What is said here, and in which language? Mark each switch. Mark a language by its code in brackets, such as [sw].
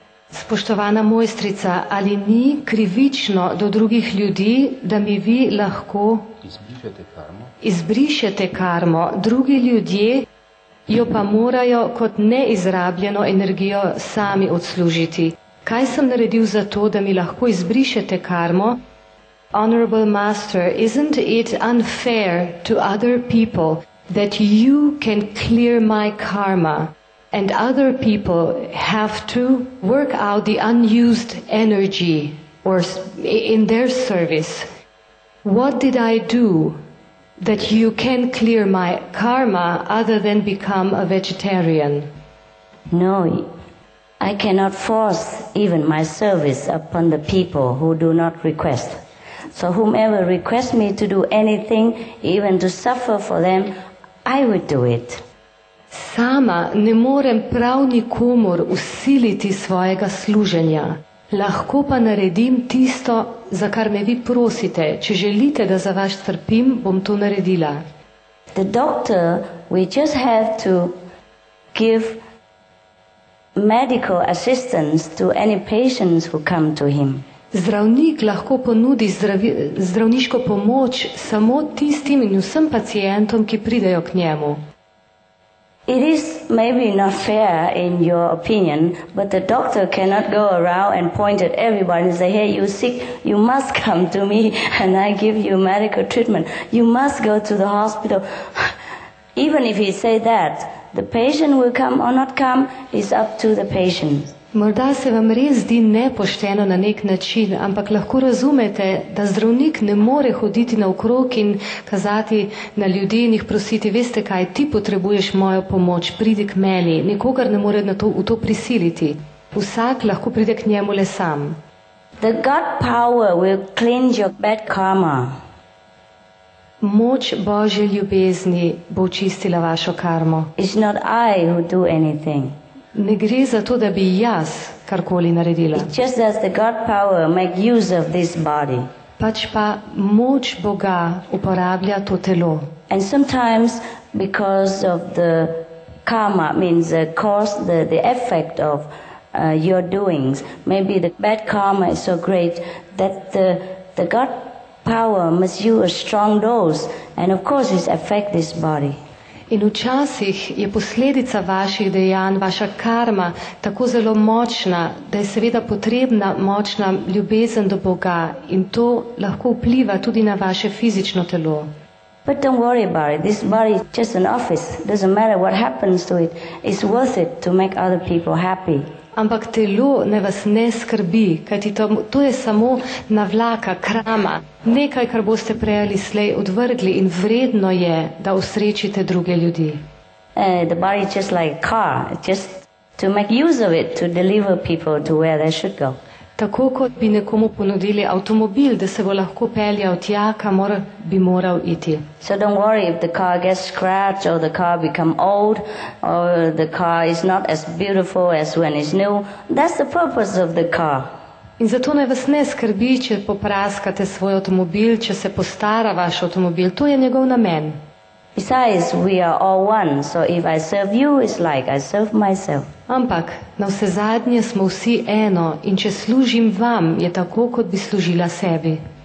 [sl] Spoštovana mojstrica, ali ni krivično do drugih ljudi, da mi vi lahko izbrišete karmo, drugi ljudje jo pa morajo kot neizrabljeno energijo sami odslužiti? Kaj sem naredil za to, da mi lahko izbrišete karmo? [en] Honorable Master, isn't it unfair to other people that you can clear my karma? And other people have to work out the unused energy or in their service. What did I do that you can clear my karma other than become a vegetarian? No, I cannot force even my service upon the people who do not request. So whomever requests me to do anything, even to suffer for them, I would do it. [sl] Sama ne morem prav nikomor usiliti svojega služenja. Lahko pa naredim tisto, za kar me vi prosite. Če želite, da za vaš trpim, bom to naredila. [en] The doctor, we just have to give medical assistance to any patients who come to him. [sl] Zdravnik lahko ponudi zdravniško pomoč samo tistim in vsem pacientom, ki pridejo k njemu. [en] It is maybe not fair in your opinion, but the doctor cannot go around and point at everybody and say, hey, you're sick, you must come to me and I give you medical treatment. You must go to the hospital. Even if he say that, the patient will come or not come, it's up to the patient. [sl] Morda se vam res zdi nepošteno na nek način, ampak lahko razumete, da zdravnik ne more hoditi naokrog in kazati na ljudi in jih prositi, veste kaj, ti potrebuješ mojo pomoč, pridi k meni. Nikogar ne more v to prisiliti. Vsak lahko pride k njemu le sam. [en] The God power will cleanse your bad karma. [sl] Moč Božje ljubezni bo očistila vašo karmo. [en] It's not I who do anything. [sl] Ne gre za to, da bi jaz karkoli naredila. [en] It's just as the God power make use of this body. [sl] Pač pa moč Boga uporablja to telo. [en] And sometimes because of the karma means the cause, the effect of your doings. Maybe the bad karma is so great that the God power must use a strong dose, and of course it affects this body. [sl] In včasih je posledica vaših dejanj, vaša karma, tako zelo močna, da je seveda potrebna močna ljubezen do Boga in to lahko vpliva tudi na vaše fizično telo. [en] But don't worry about it. This body is just an office. Doesn't matter what happens to it. It's worth it to make other people happy. [sl] Ampak telo ne vas ne skrbi, kajti to je samo navlaka, krama. Nekaj, kar boste prej ali slej odvrgli in vredno je, da usrečite druge ljudi. [en] The body is just like a car, just to make use of it, to deliver people to where they should go. [sl] Tako kot bi nekomu ponudili avtomobil, da se bo lahko peljal tja, kamor bi moral iti. [en] So don't worry if the car gets scratched or the car become old or the car is not as beautiful as when it's new. That's the purpose of the car. [sl] In zato naj vas ne skrbi, če popraskate svoj avtomobil, če se postara vaš avtomobil. To je njegov namen. [en] Besides, we are all one, so if I serve you, it's like I serve myself. [sl] Ampak, na vse zadnje smo vsi eno in če služim vam, je tako, kot bi služila sebi.